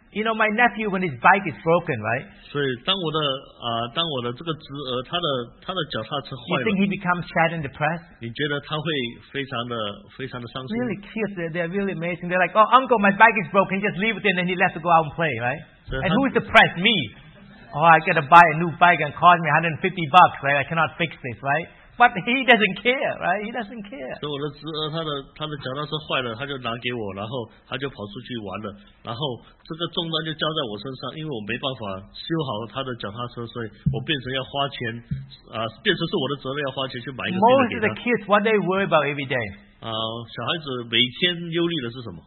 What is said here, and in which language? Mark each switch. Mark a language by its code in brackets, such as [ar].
[en] You know, my nephew, when his bike is broken, right? [zh] 所以当我的这个侄儿，他的脚踏车坏了。 [en] You think he becomes sad and depressed? [zh] 你觉得他会非常的伤心？ [en] Really cute, they're really amazing. They're like, oh, uncle, my bike is broken. Just leave it there, and then he left to go out and play, right? And who is depressed? Me. Oh, I got to buy a new bike and cost me $150, right? I cannot fix this, right? But he doesn't care, right? He doesn't care. [zh] 所以我的侄儿他的脚踏车坏了，他就拿给我，然后他就跑出去玩了。然后这个重担就交在我身上，因为我没办法修好他的脚踏车，所以我变成要花钱，变成是我的责任要花钱去买一个。 [en] Most of the kids, what they worry about every day? [zh] 小孩子每天忧虑的是什么?